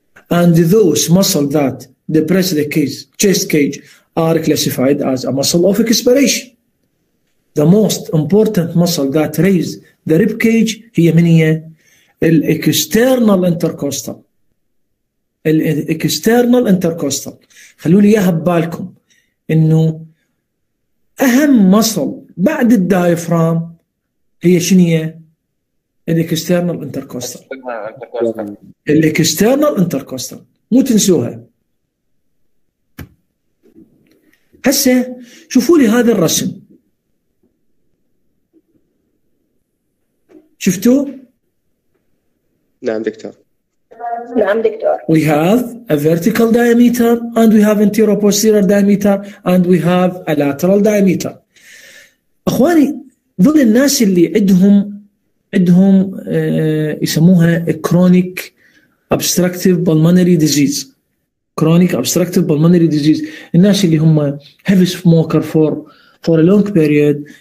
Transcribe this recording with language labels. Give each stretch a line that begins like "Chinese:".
English: And those muscles that depress the chest cage are classified as a muscle of expiration. The most important muscle that raise the rib cage
Arabic: هي من هي؟
English: الاكسترنال انتركوستال.
Arabic: الاكسترنال انتركوستال. خلوا لي اياها ببالكم انه اهم مصل بعد الدايفرام هي شنية؟ الاكسترنال انتركوستال. الاكسترنال انتركوستال. مو تنسوها. هسه شوفوا لي هذا الرسم. شفتوا؟ نعم دكتور. نعم دكتور.
English: We have a vertical diameter and we have anterior posterior diameter and we have a lateral diameter.
Arabic: أخواني ذول الناس اللي عندهم يسموها
English: chronic obstructive pulmonary disease. Chronic obstructive pulmonary disease.
Arabic: الناس اللي هم
English: heavy smoker for a long period.